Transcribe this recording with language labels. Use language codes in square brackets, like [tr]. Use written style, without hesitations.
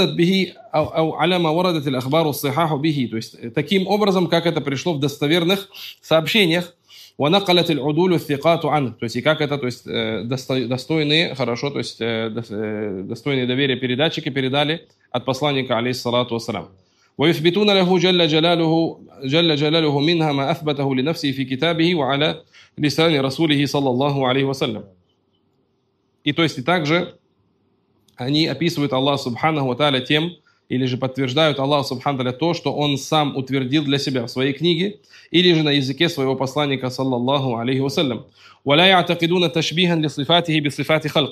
[ru] То есть таким образом, как это пришло в достоверных сообщениях, [ar] ونقلت العدول الثقات عنه. [ru] То есть и как это, то есть достойные, хорошо, то есть достойные доверия передатчики передали от посланника алейхиссалату вассалям. [ar] ويثبتون له جل جلاله جل جلاله منها ما أثبته لنفسه في كتابه وعلى لسان رسوله صلى الله عليه وسلم. [ru] И то есть и также они описывают Аллах Субханаху ва Тааля тем или же подтверждают Аллаху Субхану Тааля то, что он сам утвердил для себя в своей книге, или же на языке своего посланника, саллаллаху алейхи вассалям. [ar] وَلَا يَعْتَقِدُونَ تَشْبِيهًا لِصِفَاتِهِ بِصِفَاتِ خَلْقِ.